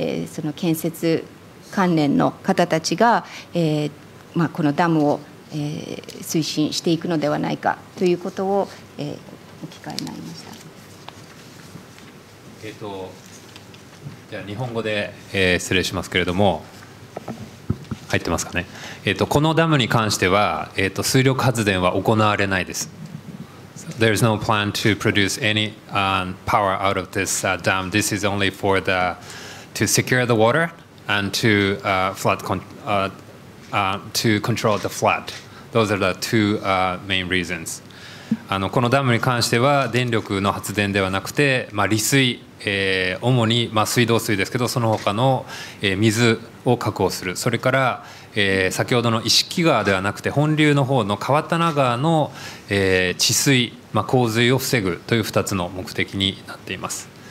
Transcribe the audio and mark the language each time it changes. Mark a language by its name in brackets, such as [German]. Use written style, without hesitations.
[Japanese] その建設関連の方たちが、まあ、このダムを推進していくのではないかということを、お聞かれになりました。じゃあ日本語で、失礼しますけれども、入ってますかね。このダムに関しては、水力発電は行われないです。 [English] There is no plan to produce any power out of this dam. This is only for the to secure the water and to flood to control the flood. Those are the two main reasons. [Japanese] このダムに関しては電力の発電ではなくて、まあ、利水、主に、まあ、水道水ですけど、その他の、水を確保する。それから、先ほどの石木川ではなくて本流の方の川棚川の、治水、まあ、洪水を防ぐという2つの目的になっています。